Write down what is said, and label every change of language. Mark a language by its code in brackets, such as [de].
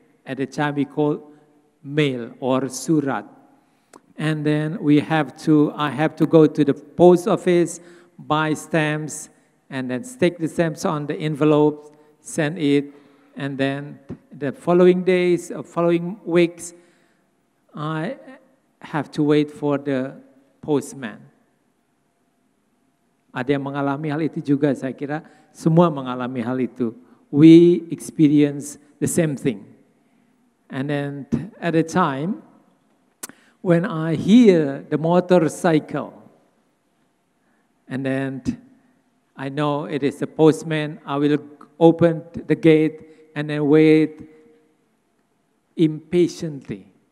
[en] At the time, we call mail or surat. And then I have to go to the post office, buy stamps, and then stick the stamps on the envelope, send it, and then the following days, or following weeks, I have to wait for the postman. [id] Ada yang mengalami hal itu juga, saya kira semua mengalami hal itu. [en] We experience the same thing. And then at a time, when I hear the motorcycle, and then I know it is a postman, I will open the gate and then wait impatiently.